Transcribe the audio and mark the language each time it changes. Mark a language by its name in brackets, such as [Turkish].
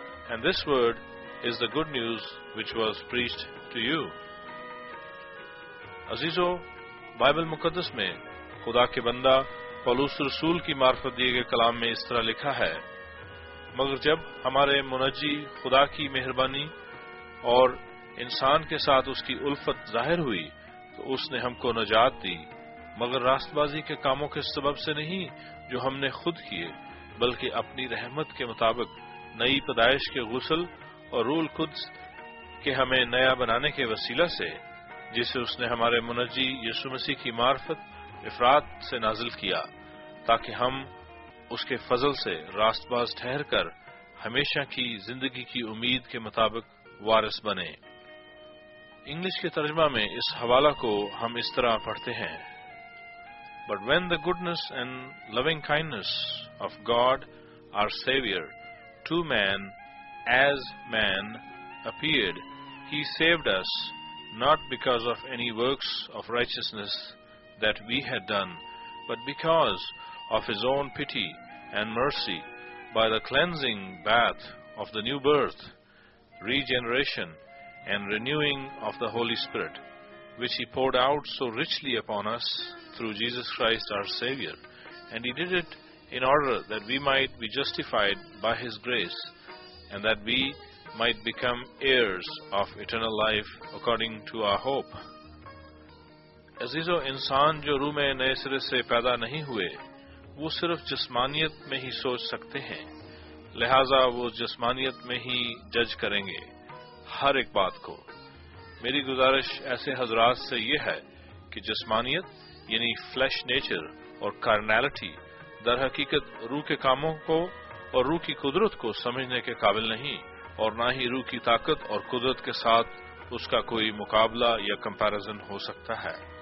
[English] And this word is the good news which was preached to you. [Urdu] عزیزو، Bible مقدس میں خدا کے بندہ پولوس رسول کی معرفت دیے گئے کلام میں اس طرح لکھا ہے، مگر جب ہمارے منجی خدا کی مہربانی اور انسان کے ساتھ اس کی الفت ظاہر ہوئی تو اس نے ہم کو نجات دی، مگر راست بازی کے کاموں کے سبب سے نہیں جو ہم نے خود کیے، بلکہ اپنی رحمت کے مطابق نئی پیدائش کے غسل اور روح القدس کے ہمیں نیا بنانے کے وسیلہ سے، جسے اس نے ہمارے منجی یسوع مسیح کی معرفت افراد سے نازل کیا، تاکہ ہم اس کے فضل سے راست باز ٹھہر کر ہمیشہ کی زندگی کی امید کے مطابق وارث بنے. انگلش کے ترجمہ میں اس حوالہ کو ہم اس طرح پڑھتے ہیں، [English] But when the goodness and loving kindness of God our Savior to man as man appeared, He saved us not because of any works of righteousness that we had done, but because of His own pity and mercy by the cleansing bath of the new birth, regeneration and renewing of the Holy Spirit, which He poured out so richly upon us through Jesus Christ our Savior. And He did it in order that we might be justified by His grace and that we might become heirs of eternal life according to our hope. [Urdu] عزیزو، انسان جو روح میں نئے سرے سے پیدا نہیں ہوئے وہ صرف جسمانیت میں ہی سوچ سکتے ہیں، لہذا وہ جسمانیت میں ہی جج کریں گے ہر ایک بات کو. میری گزارش ایسے حضرات سے یہ ہے کہ جسمانیت یعنی فلیش نیچر اور کارنالٹی در حقیقت روح کے کاموں کو اور روح کی قدرت کو سمجھنے کے قابل نہیں، اور نہ ہی روح کی طاقت اور قدرت کے ساتھ اس کا کوئی مقابلہ یا کمپیریزن ہو سکتا ہے.